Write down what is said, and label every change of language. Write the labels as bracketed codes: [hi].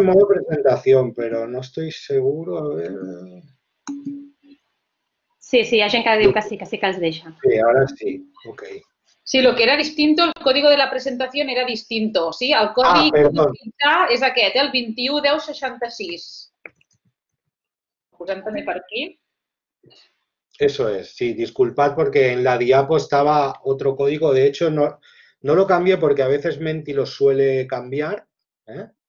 [es] en modo presentación, pero no estoy seguro. A ver. [ca] Sí, hi ha gent que diu que sí que els deixa. [es] Sí, ahora sí. Ok. Sí, lo que era distinto, el código de la presentación era distinto, ¿sí? [ca] El codi que utilitza és aquest, el 21.10.66. Posem també per aquí. [es] Eso es, sí, disculpad porque en la diapo estaba otro código, de hecho no lo cambié porque a veces Menti lo suele cambiar. ¿Eh?